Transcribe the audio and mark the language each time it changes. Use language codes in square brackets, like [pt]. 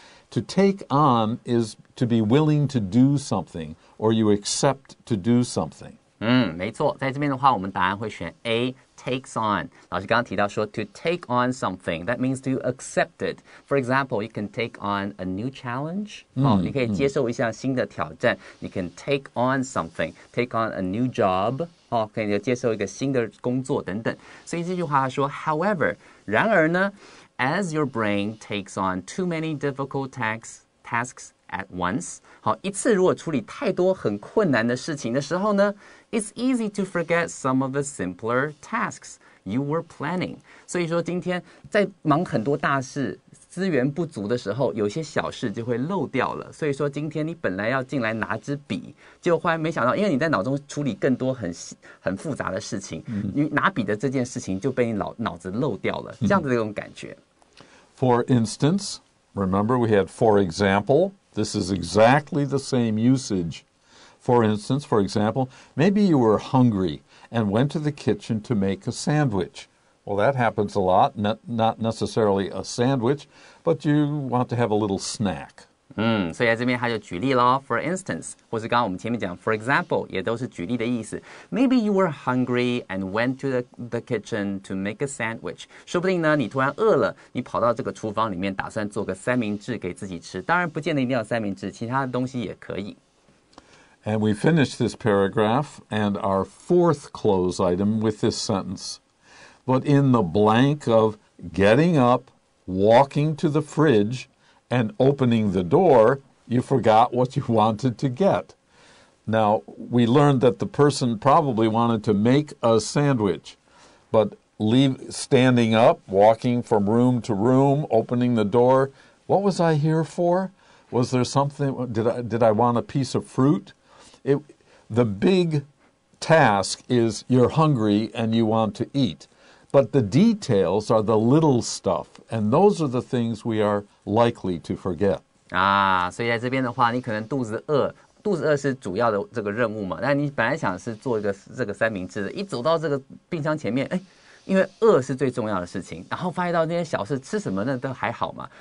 [en] To take on is to be willing to do something, or you accept to do something. [zh] 没错，在这边的话，我们答案会选 A, takes on. 老师刚刚提到说 [en] to take on something, that means to accept it. For example, you can take on a new challenge. [zh] 你可以接受一项新的挑战。 [en] You can take on something, take on a new job. [zh] 可以接受一个新的工作等等。所以这句话说 [en] however, [zh] 然而呢 [en] as your brain takes on too many difficult tasks at once. [zh] 好，一次如果处理太多很困难的事情的时候呢 [en] it's easy to forget some of the simpler tasks you were planning. [zh] 所以说今天在忙很多大事资源不足的时候有些小事就会漏掉了所以说今天你本来要进来拿支笔就忽然没想到因为你在脑中处理更多 很复杂的事情、mm-hmm. 你拿笔的这件事情就被你 脑子漏掉了这样子的一种感觉、 mm-hmm. [en] For instance, remember we had for example, this is exactly the same usage. For instance, for example, maybe you were hungry and went to the kitchen to make a sandwich. Well, that happens a lot, not necessarily a sandwich, but you want to have a little snack. [zh] 所以在这边他就举例了 [en] for instance, [zh] 或是刚刚我们前面讲 [en] for example, [zh] 也都是举例的意思。 [en] Maybe you were hungry and went to the kitchen to make a sandwich. [zh] 说不定呢你突然饿了你跑到这个厨房里面打算做个三明治给自己吃。当然不见得一定要三明治其他的东西也可以。 [en] And we finish this paragraph and our fourth close item with this sentence. But in the blank of getting up, walking to the fridge, and opening the door, you forgot what you wanted to get. Now, we learned that the person probably wanted to make a sandwich, but standing up, walking from room to room, opening the door, what was I here for? Was there something? Did I want a piece of fruit? The big task is you're hungry and you want to eat. But the details are the little stuff, and those are the things we are likely to forget. [zh] 所以在这边的话，你可能肚子饿，肚子饿是主要的这个任务嘛？那你本来想是做一个这个三明治的，一走到这个冰箱前面，哎，因为饿是最重要的事情，然后发现到那些小事，吃什么那都还好嘛。